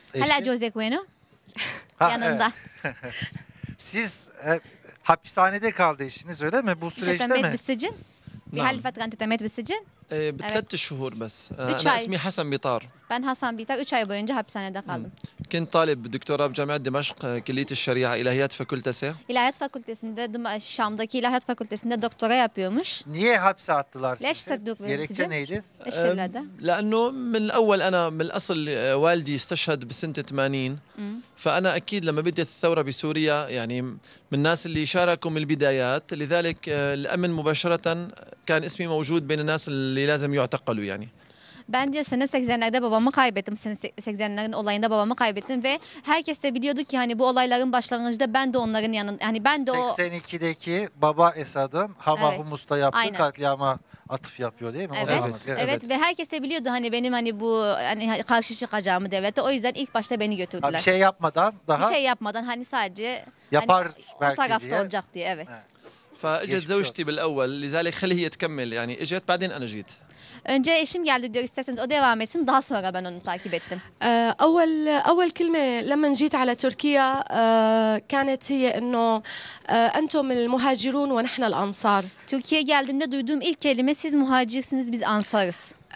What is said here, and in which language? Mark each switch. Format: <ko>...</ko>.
<tr>Hala Jose Cueno yanında. Siz hapishanede kaldı eşiniz öyle mi? Bu süreçte mi? Bisicin. Bir halif atkan tetemet bisicin. Bitletti şuhur bes. Ana ismi Hasan Bitar. Ben Hasan Bitar. 3 ay boyunca hapishanede kaldım.</tr> <ar>كنت طالب دكتوراه بجامعة دمشق كلية الشريعة</ar> <tr>إلهيات فاكولتاسي إلهيات فاكولتاسي شامداكي إلهيات فاكولتاسي دكتوراه yapıyormuş. Niye hapse attılar sizi?</tr> <ar>ليش صدوك</ar> <tr>gerekçe neydi?</tr> <ar>لأنه من الأول أنا من الأصل والدي استشهد بسنة 80 فأنا أكيد لما بدأت الثورة بسوريا يعني من الناس اللي شاركوا من البدايات لذلك الأمن مباشرة كان اسمي موجود بين الناس اللي لازم يعتقلوا يعني.</ar> <tr>Ben diyor sene 80'lerde babamı kaybettim. Sene 80'lerin olayında babamı kaybettim ve herkes de biliyordu ki hani bu olayların başlangıcında ben de onların yanında yani ben de 82'deki baba Esad'ın Hama evet. Humus'ta yaptığı aynen. Katliama atıf yapıyor değil mi? Evet. Evet. Ve herkes de biliyordu hani benim hani bu hani karşı çıkacağımı devlete. O yüzden ilk başta beni götürdüler. Bir şey yapmadan daha. Bir şey yapmadan hani sadece yapar hani belki o tarafta diye. Olacak diye evet.</tr> <ar>فاجت زوجتي بالاول لذلك خليه يتكمل يعني اجت بعدين انا جيت.</ar> <tr>Önce eşim geldi diyor isterseniz o devam etsin daha sonra ben onu takip ettim.</tr> <ar>أول كلمة لما جيت على تركيا كانت هي إنه أنتم المهاجرون ونحن الأنصار.</ar> <tr>Türkiye geldiğimde duyduğum ilk kelime siz muhacirsiniz biz ansarız.</tr>